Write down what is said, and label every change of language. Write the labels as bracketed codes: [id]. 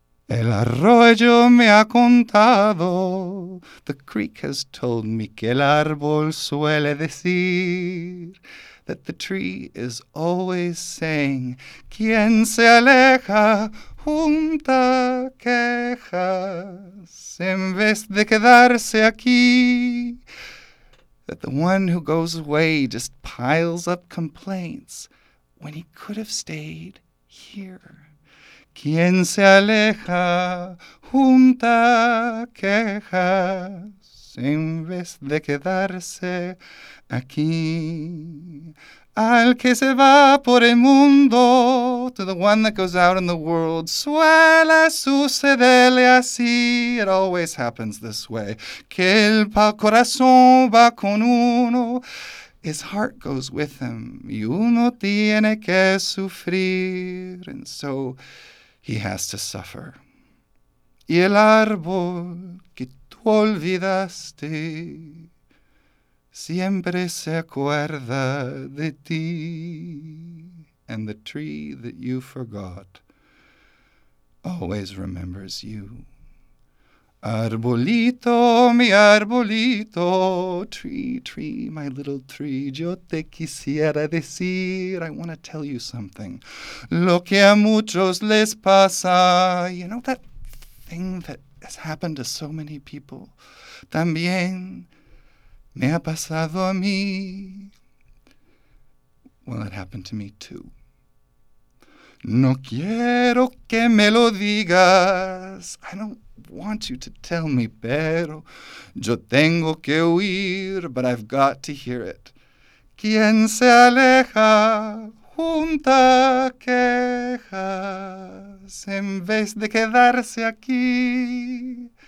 [es] El arroyo me ha contado, the creek has told me, que el árbol suele decir, that the tree is always saying, quien se aleja junta quejas, en vez de quedarse aquí. [en] That the one who goes away just piles up complaints when he could have stayed here. [es] Quien se aleja junta quejas, en vez de quedarse aquí. [en] Al que se va por el mundo, to the one that goes out in the world, suele sucederle así, it always happens this way, que el corazón va con uno, his heart goes with him, y uno tiene que sufrir, and so he has to suffer. [es] Y el árbol que tú olvidaste, siempre se acuerda de ti. [en] And the tree that you forgot always remembers you. Arbolito, mi arbolito, tree, tree, my little tree, yo te quisiera decir, I want to tell you something. [es] Lo que a muchos les pasa, you know that thing that has happened to so many people, también me ha pasado a mí. [en] Well, it happened to me too. [es] No quiero que me lo digas. [en] I don't want you to tell me, pero yo tengo que huir, but I've got to hear it. [es] Quien se aleja junta quejas en vez de quedarse aquí.